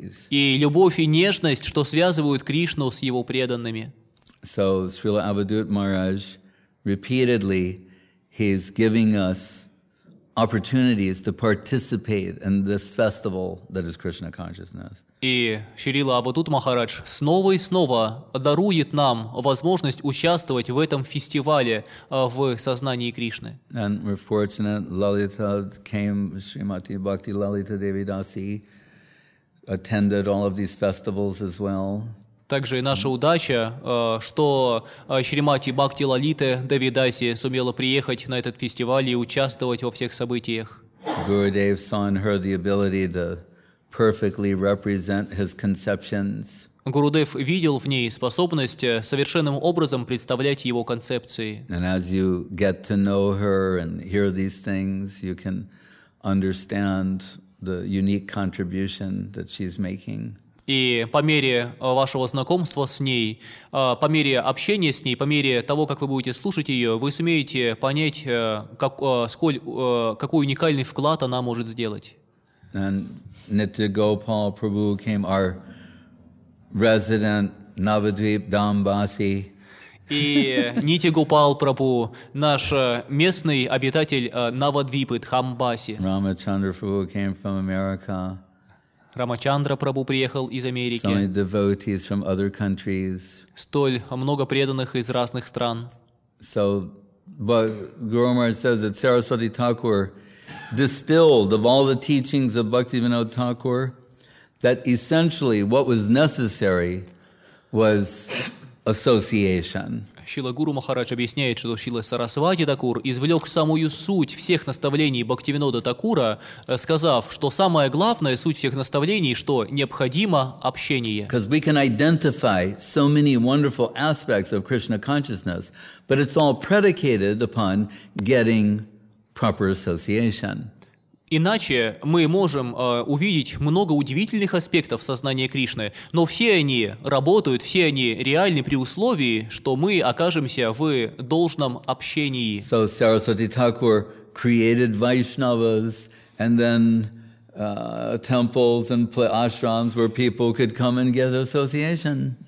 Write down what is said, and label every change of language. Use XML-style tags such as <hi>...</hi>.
<ru>И любовь и нежность, что связывают Кришну с его преданными.</ru> <en>So, Srila Avadhut Maharaj, repeatedly, he's giving us opportunities to participate in this festival that is Krishna consciousness.</en> <ru>И Шрила Абатут Махарадж снова и снова дарует нам возможность участвовать в этом фестивале в сознании Кришны.</ru> <en>And we're fortunate, Lalita came, Srimati Bhakti Lalita Devi Dasi attended all of these festivals as well.</en> <ru>Также наша удача, что Шримати Бхакти Лалита Деви Даси сумела приехать на этот фестиваль и участвовать во всех событиях.</ru> <en>Гурудев saw in her the ability to perfectly represent his conceptions.</en> <ru>Гурудев видел в ней способность совершенным образом представлять его концепции.</ru> <en>And as you get to know her and hear these things, you can understand the unique contribution that she's making.</en> <ru>И по мере вашего знакомства с ней, по мере общения с ней, по мере того, как вы будете слушать ее, вы сумеете понять, какой уникальный вклад она может сделать.</ru> <en>And Nitya Gopal Prabhu came, our resident Navadvip Dambasi.</en> <ru>И Нити Гупал Прабу, наш местный обитатель Навадвипы, Дхамбаси.</ru> <en>Рамачандра Прабу came from America.</en> <ru>Рамачандра Прабу приехал из Америки.</ru> <en>So many devotees from other countries.</en> <ru>Столь много преданных из разных стран.</ru> <en>So, but Guru Maharaj says that Saraswati Thakur distilled of all the teachings of Bhaktivinoda Thakur that essentially what was necessary was association.</en> <ru>Шрила Гуру Махарадж объясняет, что Шрила Сарасвати Такур извлек самую суть всех наставлений Бхактивинода Такура, сказав, что самая главная суть всех наставлений, что необходимо общение.</ru> <en>Because we can identify so many wonderful aspects of Krishna consciousness, but it's all predicated upon getting proper association.</en> <ru>Иначе мы можем увидеть много удивительных аспектов сознания Кришны, но все они работают, все они реальны при условии, что мы окажемся в должном общении.</ru> <en>So Saraswati Thakur created Vaishnavas and then temples and ashrams where people could come and get association.</en>